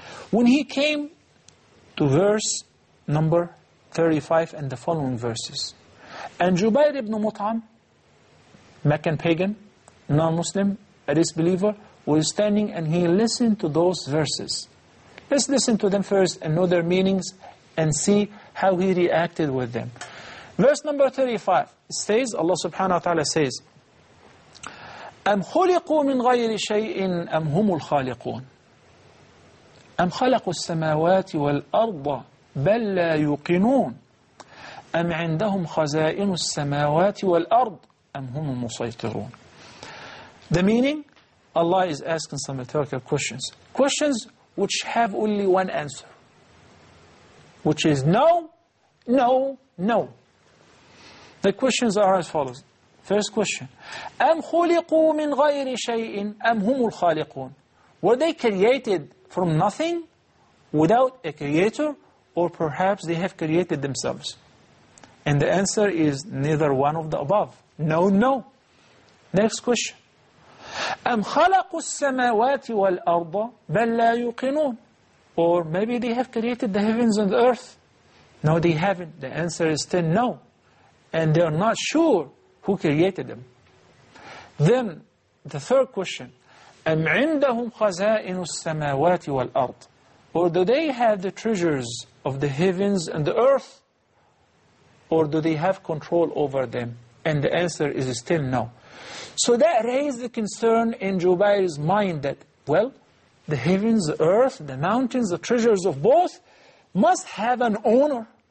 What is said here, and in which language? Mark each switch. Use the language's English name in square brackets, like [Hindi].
[English] When he came to verse number 35 and the following verses, and Jubair ibn Mut'im, Meccan pagan, non-Muslim, a disbeliever, was standing and he listened to those verses. Let's listen to them first and know their meanings and see how he reacted with them. Verse number 35 says, Allah subhanahu wa ta'ala says, [Arabic] أَمْ خُلِقُوا مِنْ غَيْرِ شَيْءٍ أَمْ هُمُ الْخَالِقُونَ أَمْ خَلَقُوا السَّمَاوَاتِ وَالْأَرْضَ بَلْ لَا يُقِنُونَ أَمْ عِنْدَهُمْ خَزَائِنُ السَّمَاوَاتِ وَالْأَرْضِ أَمْ هُمُ الْمُسَيْطِرُونَ. [English] The meaning, Allah is asking some rhetorical questions. Questions which have only one answer, which is no, no, no. The questions are as follows. First question, [Arabic] أَمْ خُلِقُوا مِنْ غَيْرِ شَيْءٍ أَمْ هُمُ الْخَالِقُونَ. [English] Were they created from nothing without a creator, or perhaps they have created themselves? And the answer is neither one of the above. No, no. Next question, [Arabic] أَمْ خَلَقُوا السَّمَاوَاتِ وَالْأَرْضَ بَلْ لَا يُقِنُونَ. [English] Or maybe they have created the heavens and the earth. No, they haven't. The answer is still no. And they are not sure who created them. Then, the third question, [Arabic] أَمْ عِنْدَهُمْ خَزَائِنُ السَّمَاوَاتِ وَالْأَرْضِ. [English] Or do they have the treasures of the heavens and the earth? Or do they have control over them? And the answer is still no. So that raised the concern in Jubair's mind that, well, the heavens, the earth, the mountains, the treasures of both must have an owner.